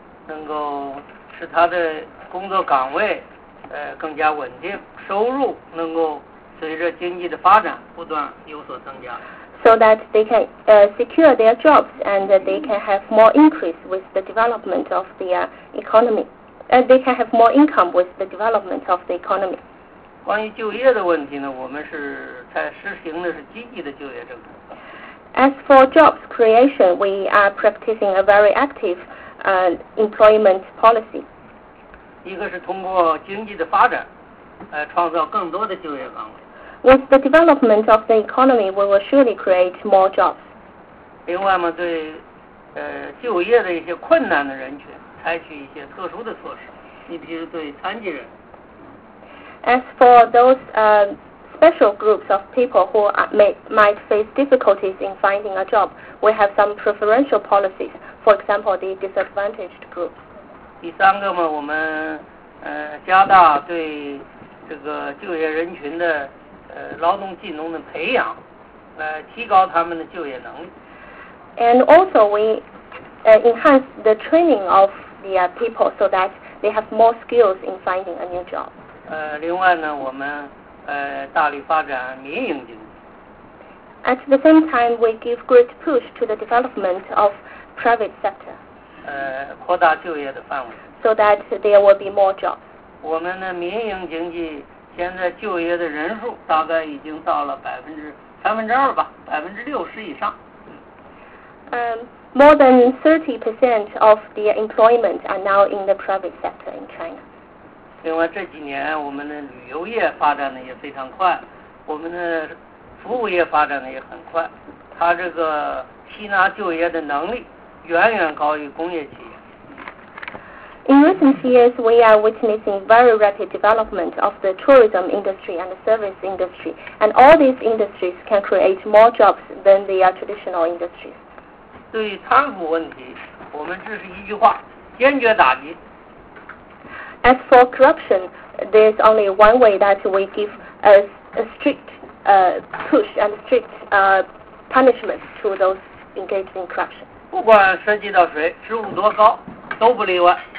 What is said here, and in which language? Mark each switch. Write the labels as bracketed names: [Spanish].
[Chinese] 能够使他的工作岗位更加稳定，收入能够。随着经济的发展，不断有所增加。 [English] So that they can secure their jobs and they can have more increase with the development of the economy. They can have more income with the development of the economy. [Chinese] 关于就业的问题呢，我们是在实行的是积极的就业政策。 [English] As for jobs creation, we are practicing a very active employment policy. [Chinese] 一个是通过经济的发展，创造更多的就业岗位。 [English] With the development of the economy, we will surely create more jobs. [Chinese] 另外嘛，对就业的一些困难的人群，采取一些特殊的措施。你比如对残疾人。 [English] As for those special groups of people who might face difficulties in finding a job, we have some preferential policies. For example, the disadvantaged groups. [Chinese] 第三个嘛，我们加大对这个就业人群的。劳动技能的培养，提高他们的就业能力。 [English] And also we enhance the training of the people so that they have more skills in finding a new job. [Chinese] 另外呢，我们大力发展民营经济。 [English] At the same time, we give great push to the development of private sector. [Chinese] 扩大就业的范围。 [English] So that there will be more jobs. [Chinese] 我们的民营经济。现在就业的人数大概已经到了3%吧，60%以上。 [English] More than 30% of the employment are now in the private sector in China. [Chinese] 另外这几年我们的旅游业发展的也非常快，我们的服务业发展的也很快，它这个吸纳就业的能力远远高于工业企业。 [English] In recent years, we are witnessing very rapid development of the tourism industry and the service industry, and all these industries can create more jobs than the traditional industries. [Chinese] 对贪腐问题，我们只是一句话，坚决打击。 [English] As for corruption, there's only one way that we give a strict push and strict punishment to those engaged in corruption. [Chinese] 不管涉及到谁，职务多高，都不例外。